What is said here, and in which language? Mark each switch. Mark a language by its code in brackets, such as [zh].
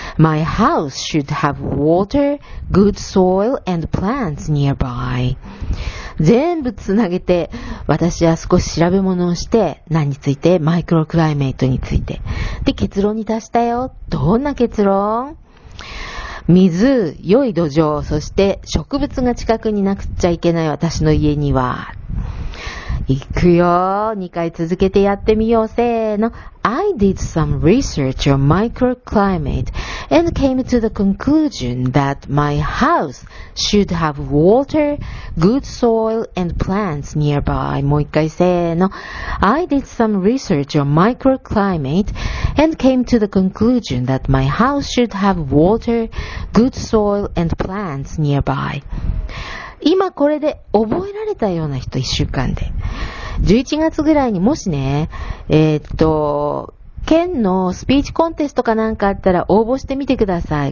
[en] My house should have water, good soil, and plants nearby. [ja] 全部つなげて、私は少し調べ物をして、何について？マイクロクライメートについて。で、結論に達したよ。どんな結論？水、良い土壌、そして植物が近くになくちゃいけない私の家には。行くよ。 2回続けてやってみよう。せーの。 [en] I did some research on microclimate and came to the conclusion that my house should have water, good soil and plants nearby. [ja] もう一回せーの。 [en] I did some research on microclimate and came to the conclusion that my house should have water, good soil and plants nearby. [ja] 今これで覚えられたような人1週間で。11月ぐらいにもしね、県のスピーチコンテストかなんかあったら応募してみてください。